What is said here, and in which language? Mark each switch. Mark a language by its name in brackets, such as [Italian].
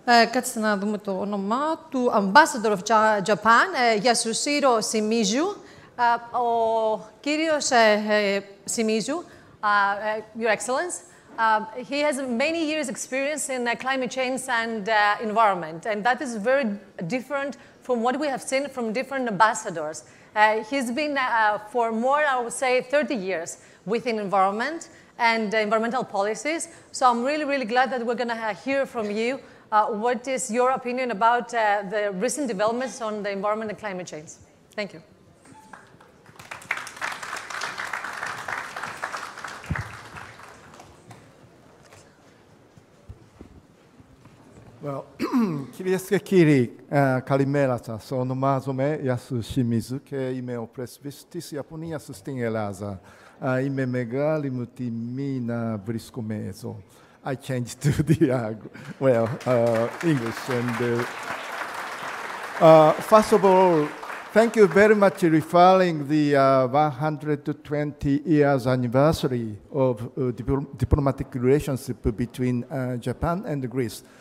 [Greek] Κάτσε να δούμε το όνομά του. [English] Ambassador of Japan, Yasushiro Shimizu. [Greek] Ο κύριος [English] Shimizu, Your Excellence, he has many years experience in climate change and environment. And that is very different from what we have seen from different ambassadors. He's been for more, I would say, 30 years within environment and environmental policies. So I'm really, really glad that we're going to hear from you. What is your opinion about the recent developments on the environment and climate change? Thank you. Well, [Greek] κυρίες και κύριοι, καλημέρα σας. Ονομάζομαι Yasu Shimizu και είμαι ο πρέσβης της Ιαπωνίας στην Ελλάδα. Είμαι μεγάλη μου τιμή να βρίσκομαι εδώ. [English] I changed to the English. And first of all, thank you very much for referring the 120 years anniversary of diplomatic relationship between Japan and Greece.